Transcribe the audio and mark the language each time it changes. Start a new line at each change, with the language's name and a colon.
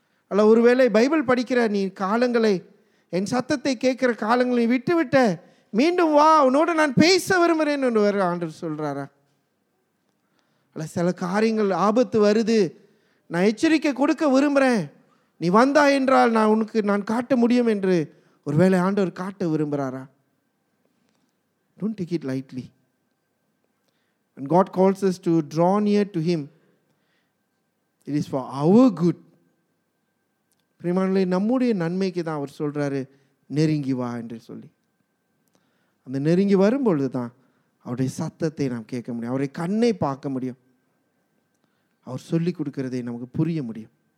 Tamil: அல்ல, ஒருவேளை பைபிள் படிக்கிற நீ காலங்களை, என் சத்தத்தை கேட்குற காலங்களை விட்டுவிட்ட, மீண்டும் வா, உன்னோடு நான் பேச விரும்புகிறேன் என்று ஆண்டவர் சொல்கிறாரா? அல்ல, சில காரியங்கள் ஆபத்து வருது, நான் எச்சரிக்கை கொடுக்க விரும்புகிறேன், நீ வந்தா என்றால் நான் உனக்கு நான் காட்ட முடியும் என்று ஒருவேளை ஆண்டவர் காட்ட விரும்புகிறாரா?
English: Don't take it lightly. And God calls us to draw near to him. It is for our good.
Tamil: பிரியமானவர்களே, நம்முடைய நன்மைக்கு தான் அவர் சொல்கிறாரு நெருங்கி வா என்று சொல்லி. அந்த நெருங்கி வரும்பொழுது தான் அவருடைய சத்தத்தை நாம் கேட்க முடியும், அவருடைய கண்ணை பார்க்க முடியும், அவர் சொல்லி கொடுக்கிறதை நமக்கு புரிய முடியும்.